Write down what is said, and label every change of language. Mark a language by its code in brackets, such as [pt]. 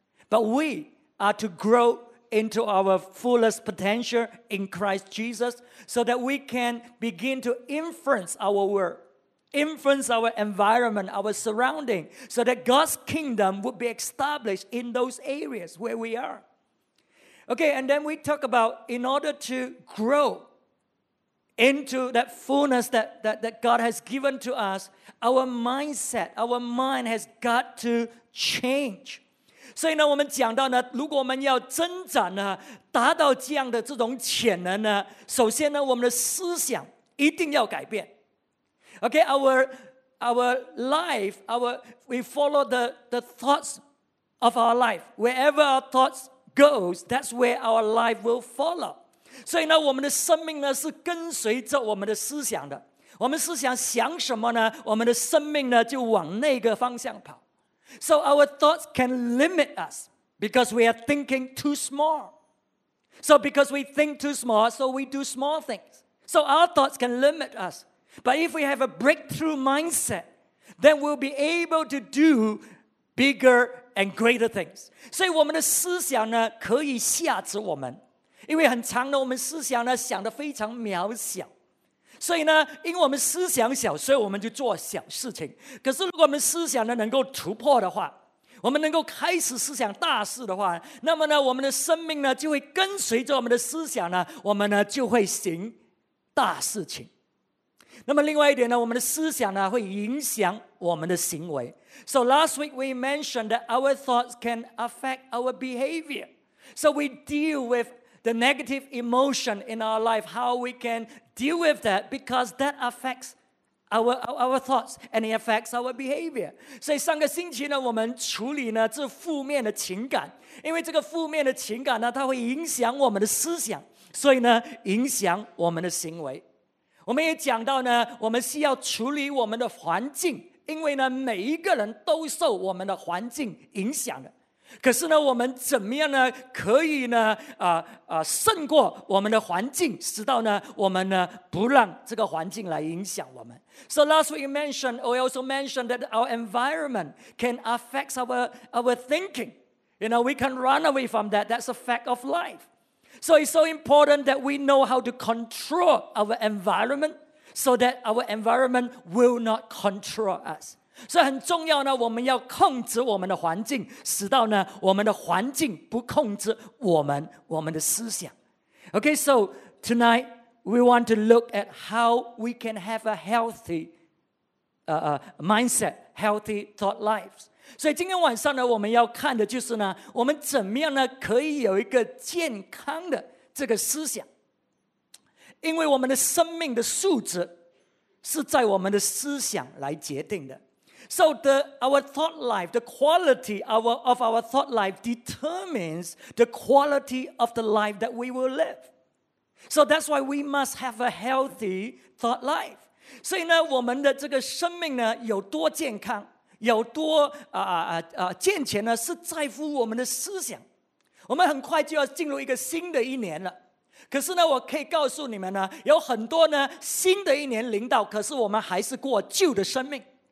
[en] But we are to grow into our fullest potential in Christ Jesus so that we can begin to influence our world, influence our environment, our surrounding, so that God's kingdom would be established in those areas where we are. Okay, and then we talk about in order to grow into that fullness that God has given to us, our mindset, our mind has got to change. [zh] 所以呢，我们讲到呢，如果我们要增长呢，达到这样的这种潜能呢，首先呢，我们的思想一定要改变。 [en] Okay, we follow the thoughts of our life. Wherever our thoughts goes, that's where our life will follow. [zh] 所以呢我们的生命呢是跟随着我们的思想的，我们思想想什么呢，我们的生命呢就往那个方向跑。 [en] So our thoughts can limit us because we are thinking too small. So because we think too small, so we do small things. So our thoughts can limit us. But if we have a breakthrough mindset, then we'll be able to do bigger and greater things. [zh] 所以我们的思想呢，可以吓止我们，因为很长呢，我们思想呢想得非常渺小。所以呢，因为我们思想小，所以我们就做小事情。可是如果我们思想呢能够突破的话，我们能够开始思想大事的话，那么呢，我们的生命呢就会跟随着我们的思想呢，我们呢就会行大事情。那么另外一点呢，我们的思想呢会影响我们的行为。 [en] So last week we mentioned that our thoughts can affect our behavior. So we deal with the negative emotion in our life. How we can deal with that? Because that affects our thoughts and it affects our behavior. [zh] 所以上个星期呢，我们处理呢这负面的情感，因为这个负面的情感呢，它会影响我们的思想，所以呢影响我们的行为。我们也讲到呢，我们需要处理我们的环境，因为呢每一个人都受我们的环境影响的。可是呢，我们怎么样呢可以呢胜过我们的环境，直到呢我们呢不让这个环境来影响我们。 [en] So last week we also mentioned that our environment can affect our thinking. You know, we can run away from that. That's a fact of life. So it's so important that we know how to control our environment so that our environment will not control us. [zh] 所以很重要呢，我们要控制我们的环境，使到呢我们的环境不控制我们的思想。 [en] Okay, so tonight we want to look at how we can have a healthy mindset, healthy thought lives. [zh] 所以今天晚上呢，我们要看的就是呢，我们怎么样呢可以有一个健康的这个思想，因为我们的生命的素质是在我们的思想来决定的。 [en] So our thought life, the quality of our thought life determines the quality of the life that we will live. So that's why we must have a healthy thought life. [zh] 所以呢，我们的这个生命呢有多健康，有多健全呢，是在乎我们的思想。我们很快就要进入一个新的一年了，可是呢，我可以告诉你们呢，有很多呢新的一年临到，可是我们还是过旧的生命。